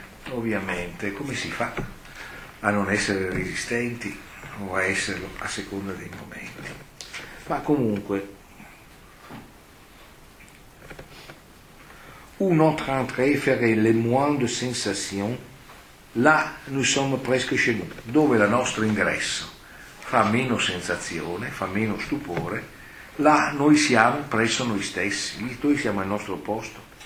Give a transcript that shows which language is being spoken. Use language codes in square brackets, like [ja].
[it] Ovviamente, come si fa a non essere resistenti o a esserlo a seconda dei momenti? Ma comunque, [fr] un autre entrée ferait le moins de sensation, là nous sommes presque chez nous. [it] Dove il nostro ingresso fa meno sensazione, fa meno stupore, là noi siamo presso noi stessi, noi siamo al nostro posto.